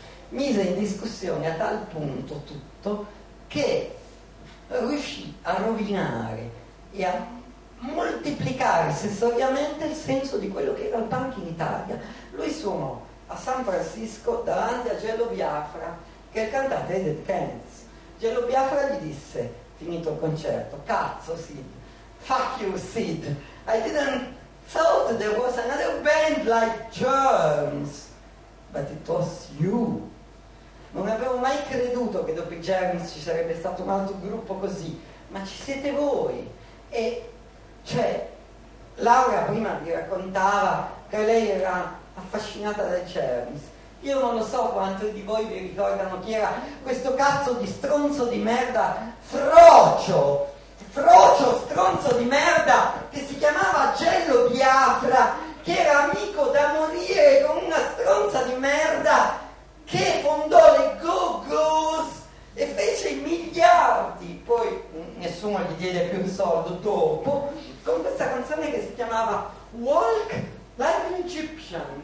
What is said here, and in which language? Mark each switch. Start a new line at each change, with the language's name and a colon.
Italian: Mise in discussione a tal punto tutto che riuscì a rovinare e a moltiplicare sensoriamente il senso di quello che era il punk in Italia. Lui suonò a San Francisco davanti a Jello Biafra, che è il cantante dei Dead Kennedys. Jello Biafra gli disse, finito il concerto, cazzo Sid,
English: fuck you Sid, I didn't thought there was another band like Germs, but it was you.
Italian: Non avevo mai creduto che dopo i Germs ci sarebbe stato un altro gruppo così, ma ci siete voi. E cioè, Laura prima vi raccontava che lei era affascinata dai Germs. Io non lo so quanti di voi vi ricordano chi era questo cazzo di stronzo di merda, frocio stronzo di merda, che si chiamava Jello Biafra, che era amico da morire con una stronza di merda che fondò le Go-Go's e fece i miliardi, poi nessuno gli diede più un soldo dopo, con questa canzone che si chiamava Walk Like an Egyptian.